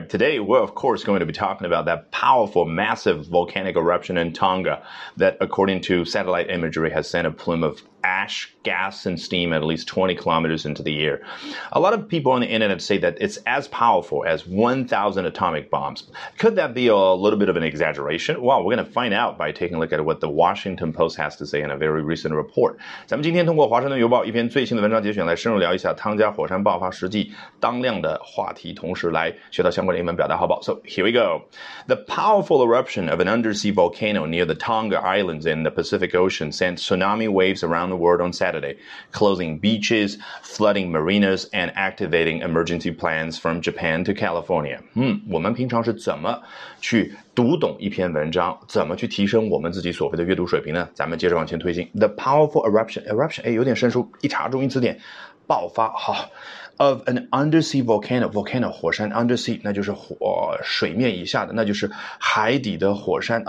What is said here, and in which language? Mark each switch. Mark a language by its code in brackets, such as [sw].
[en] Today, we're of course going to be talking about that powerful, massive volcanic eruption in Tonga that, according to satellite imagery, has sent a plume of ash, gas, and steam at least 20 kilometers into the air. A lot of people on the internet say that it's as powerful as 1,000 atomic bombs. Could that be a little bit of an exaggeration? Well, we're going to find out by taking a look at what the Washington Post has to say in a very recent report. [zh] 咱们今天通过华盛顿邮报一篇最新的文章节选来深入聊一下汤加火山爆发实际当量的话题，同时来学到相关的英文表达，好不好？ [en] So here we go. The powerful eruption of an undersea volcano near the Tonga Islands in the Pacific Ocean sent tsunami waves around the world on Saturday, closing beaches, flooding marinas, and activating emergency plans from Japan to California. [zh] 我们平常是怎么去读懂一篇文章，怎么去提升我们自己所谓的阅读水平呢？咱们接着往前推进。 [en] The powerful eruption, [zh] 哎，有点生疏，一查中英词典，爆发，好。 [en] Of an undersea volcano, [zh] 火山 undersea, 那就是火水面以下的，那就是海底的火山。